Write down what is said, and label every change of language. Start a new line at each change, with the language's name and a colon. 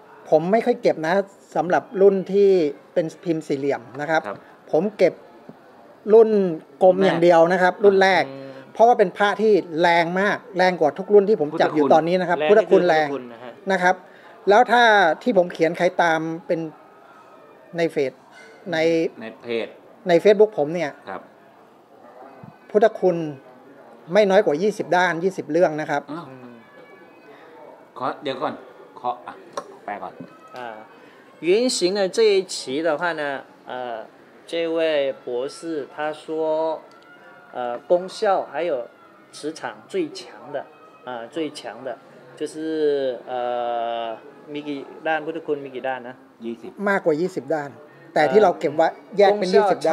Thai: ผมไม่ค่อยเก็บนะสำหรับรุ่นที่เป็นพิมพ์สี่เหลี่ยมนะครับผมเก็บรุ่นกลมอย่างเดียวนะครับรุ่นแรกเพราะว่าเป็นพระที่แรงมากแรงกว่าทุกรุ่นที่ผมจับอยู่ตอนนี้นะครับพุทธคุณแรงนะครับแล้วถ้าที่ผมเขียนใครตามเป็นในเฟซ ในเพจ ใน Facebook ผมเนี่ย ครับ พุทธคุณไม่น้อยกว่า20ด้าน20เรื่องนะครับ ขอเดี๋ยวก่อนขออ่ะแปลก่อน
Chinese: 原型的这一期的话呢这位博士他说功效还有磁场最强的最强的就是
Thai: มีกี่ด้านพุทธคุณมีกี่ด้านนะ 20 มากกว่า20ด้านแต่ที่เราเก็บไว้แยกเป็น20ด้าน